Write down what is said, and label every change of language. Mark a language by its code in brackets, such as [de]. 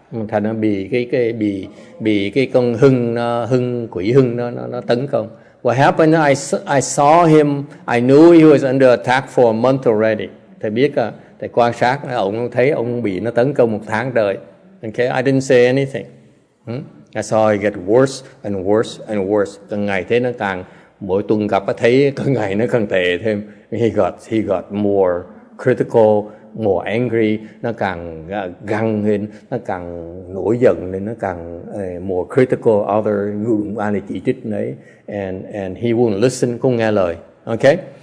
[vi] Thành nó bị cái con hưng quỷ nó tấn công. [en] What happened? I saw him. I knew he was under attack for a month already. [vi] Thầy biết à? Thầy quan sát ông thấy ông bị nó tấn công một tháng trời. [en] Okay, I didn't say anything. I saw it get worse and worse and worse. [vi] Càng ngày thế nó càng mỗi tuần gặp nó thấy càng ngày nó càng tệ thêm. [en] He got more critical. More angry, [vi] nó càng găng lên, nó càng nổi giận lên, nó càng [en] more critical other group [vi] anh chỉ trích đấy, [en] and he won't listen, [vi] không nghe lời, okay?